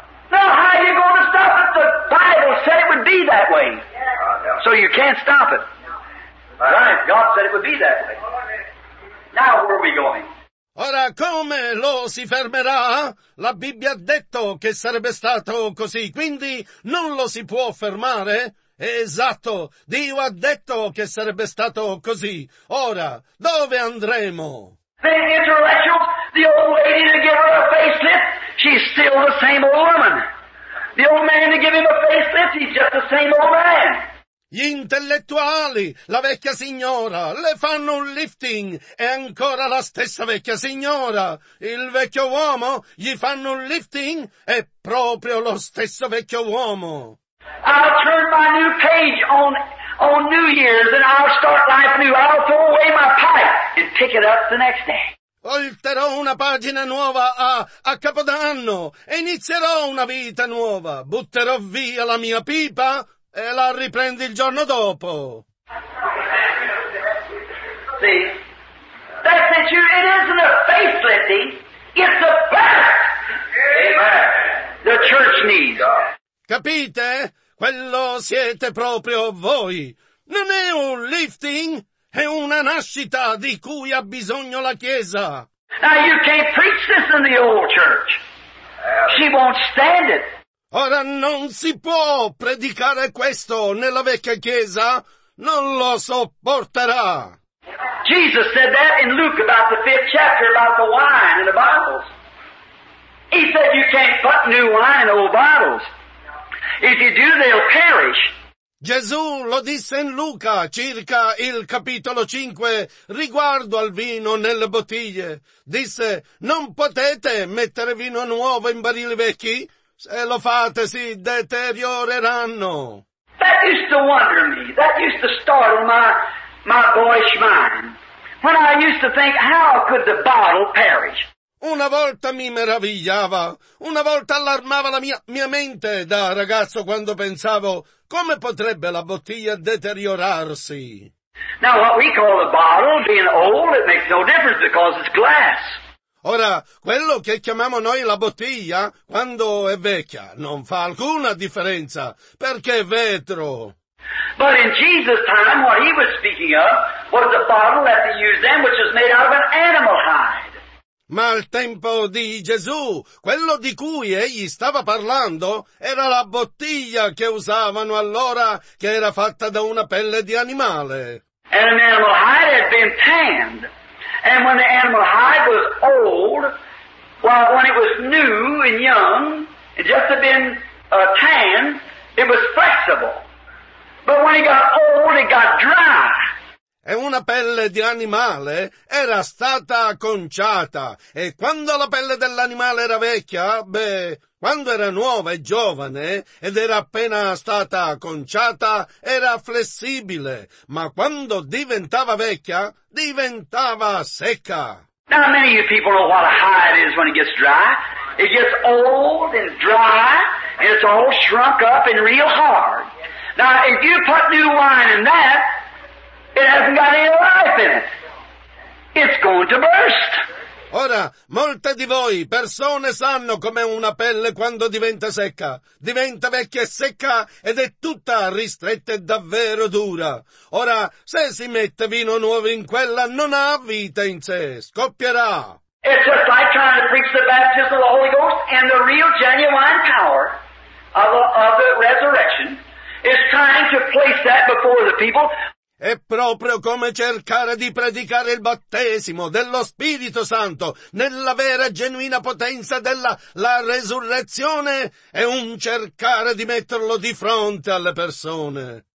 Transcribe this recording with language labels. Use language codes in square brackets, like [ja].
[en] Now how are you going to stop it? The Bible said it would be that way. So you can't stop it. Right, God said it would be that way. Now where are we going? [it] Ora come lo si fermerà? La Bibbia ha detto che sarebbe stato così, quindi non lo si può fermare? Esatto, Dio ha detto che sarebbe stato così. Ora, dove andremo? [en] The intellectuals, the old lady to give her a facelift, she's still the same old woman. The old man to give him a facelift, he's just the same old man. [it] Gli intellettuali, la vecchia signora, le fanno un lifting, è ancora la stessa vecchia signora. Il vecchio uomo, gli fanno un lifting, è proprio lo stesso vecchio uomo. [en] I'll turn my new page on New Year's and I'll start life new. I'll throw away my pipe and pick it up the next day. [it] Volterò una pagina nuova a Capodanno e inizierò una vita nuova. Butterò via la mia pipa e la riprendi il giorno dopo. [en] See, that's it. It isn't a facelifting, it's a birth. Amen. The church needs. [it] Capite? Quello siete proprio voi. Non è un lifting, è una nascita di cui ha bisogno la Chiesa. [en] Now you can't preach this in the old church. She won't stand it. [it] Ora non si può predicare questo nella vecchia chiesa, non lo sopporterà. [en] Jesus said that in Luke about the fifth chapter about the wine in the bottles. He said you can't put new wine in old bottles. If you do, they'll perish. [it] Gesù lo disse in Luca circa il capitolo 5 riguardo al vino nelle bottiglie. Disse, non potete mettere vino nuovo in barili vecchi? Se lo fate, si deterioreranno. [en] That used to wonder me. That used to startle my boyish mind. When I used to think, how could the bottle perish? [it] Una volta mi meravigliava, una volta allarmava la mia mente da ragazzo quando pensavo, come potrebbe la bottiglia deteriorarsi? [en] Now what we call a bottle, being old, it makes no difference because it's glass. [it] Ora, quello che chiamiamo noi la bottiglia, quando è vecchia, non fa alcuna differenza, perché è vetro. [en] But in Jesus' time, what he was speaking of was a bottle that they used then, which was made out of an animal hide. [it] Ma al tempo di Gesù, quello di cui egli stava parlando, era la bottiglia che usavano allora, che era fatta da una pelle di animale. [en] An animal hide had been tanned. And when the animal hide was old, well, when it was new and young, it just had been tanned, it was flexible. But when it got old, it got dry. [it] E una pelle di animale era stata conciata, e quando la pelle dell'animale era vecchia, beh, quando era nuova e giovane, ed era appena stata conciata, era flessibile, ma quando diventava vecchia, diventava secca. [en] Now many of you people know what a hide is when it gets dry. It gets old and dry, and it's all shrunk up and real hard. Now if you put new wine in that, it hasn't got any life in it. It's going to burst. [it] Ora, molte di voi persone sanno com'è una pelle quando diventa secca. Diventa vecchia e secca ed è tutta ristretta e davvero dura. Ora, se si mette vino nuovo in quella, non ha vita in sé. Scoppierà. [en] It's just like trying to preach the baptism of the Holy Ghost and the real genuine power of the resurrection is trying to place that before the people. [it] È proprio come cercare di predicare il battesimo dello Spirito Santo nella vera e genuina potenza della la resurrezione e un cercare di metterlo di fronte alle persone.